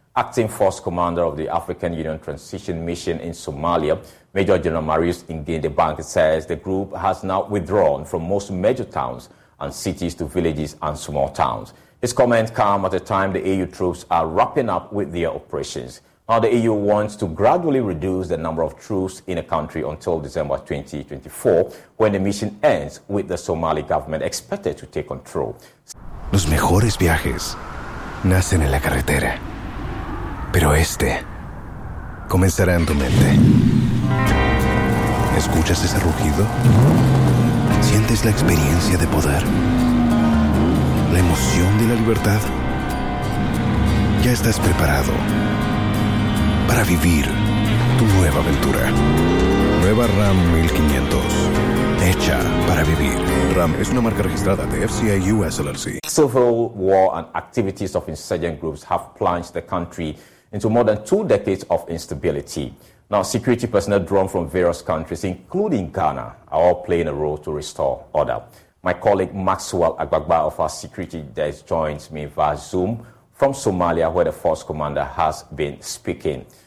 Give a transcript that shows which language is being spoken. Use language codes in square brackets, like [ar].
[en] Acting Force Commander of the African Union Transition Mission in Somalia, Major General Marius Ngendebank, says the group has now withdrawn from most major towns and cities to villages and small towns. His comments come at a time the AU troops are wrapping up with their operations. Now, the EU wants to gradually reduce the number of troops in a country until December 2024, when the mission ends, with the Somali government expected to take control. [es] Los mejores viajes nacen en la carretera, pero este comenzará en tu mente. ¿Escuchas ese rugido? ¿Sientes la experiencia de poder? ¿La emoción de la libertad? ¿Ya estás preparado para vivir tu nueva aventura? Nueva Ram 1500. Hecha para vivir. Ram es una marca registrada de FCA US LLC. [en] Civil war and activities of insurgent groups have plunged the country into more than two decades of instability. Now, security personnel drawn from various countries, including Ghana, are all playing a role to restore order. My colleague Maxwell Agbagba of our security desk joins me via Zoom from Somalia, where the force commander has been speaking.